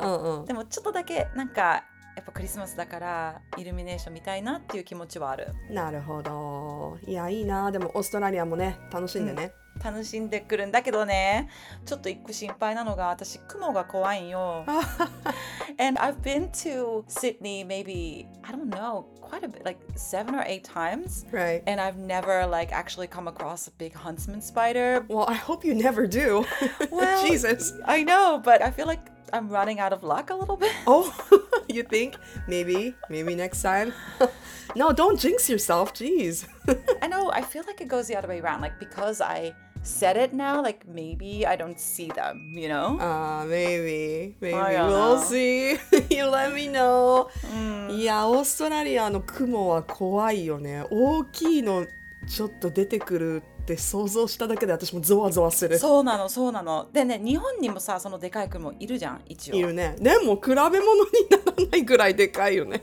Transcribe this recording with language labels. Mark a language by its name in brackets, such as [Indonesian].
[Japanese] うんうん、でもちょっとだけなんかやっぱクリスマスだからイルミネーション見たいなっていう気持ちはある。なるほど。いや、いいな。でもオーストラリアもね、楽しんでね、うん、楽しんでくるんだけどね、ちょっと一個心配なのが、私雲が怖いんよ。 [English] And I've been to Sydney maybe, I don't know, quite a bit, like 7 or 8 times. Right. And I've never like actually come across a big huntsman spider. Well, I hope you never do. Well, Jesus. I know, but I feel like I'm running out of luck a little bit. Oh, you think? Maybe next time. No, don't jinx yourself. Jeez. I know. I feel like it goes the other way around. Like, because I said it now, like, maybe I don't see them, you know? Maybe. We'll see. You let me know. [Japanese] いや、オーストラリアの雲は怖いよね。大きいのちょっと出てくるって想像しただけで私もゾワゾワする。そうなの、そうなの。でね、日本にもさ、そのでかい雲いるじゃん、一応。いるね。でも比べ物にならないぐらいでかいよね。